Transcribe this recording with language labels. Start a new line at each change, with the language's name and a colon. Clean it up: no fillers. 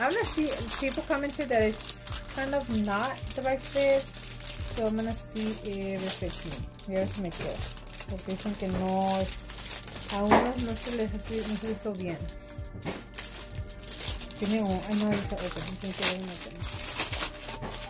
English: I'm gonna see, people commented that it's kind of not the right fit. So I'm gonna see if it fits me. We have to make it.
Spanish: Porque dicen que no, a unos no se les hace, no se les hizo bien. Tiene un,
English: I know it's open, I'm gonna get it open.